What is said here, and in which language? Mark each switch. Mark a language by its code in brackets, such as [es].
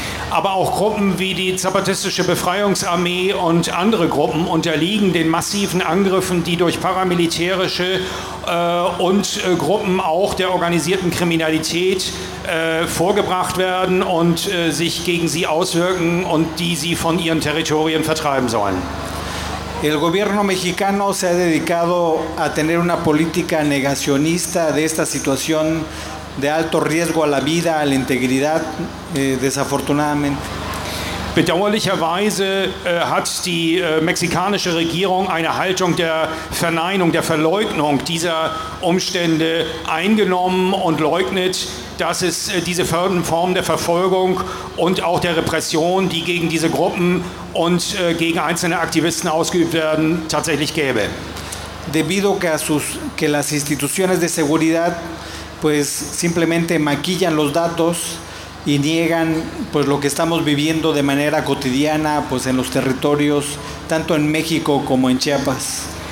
[de] Aber auch Gruppen wie die Zapatistische Befreiungsarmee und andere Gruppen unterliegen den massiven Angriffen, die durch paramilitärische und Gruppen auch der organisierten Kriminalität vorgebracht werden und sich gegen sie auswirken und die sie von ihren Territorien vertreiben sollen. [es] El gobierno mexicano se ha dedicado a tener una política negacionista de esta situación de alto riesgo a la vida, a la integridad, desafortunadamente. [de] Bedauerlicherweise hat die mexikanische Regierung eine Haltung der Verneinung, der Verleugnung dieser Umstände eingenommen und leugnet, dass es diese Form der Verfolgung und auch der Repression, die gegen diese Gruppen und gegen einzelne Aktivisten ausgeübt werden, tatsächlich gäbe. [es] Debido a que las instituciones de seguridad pues simplemente maquillan los datos y niegan pues lo que estamos viviendo de manera cotidiana pues en los territorios tanto en México como en Chiapas.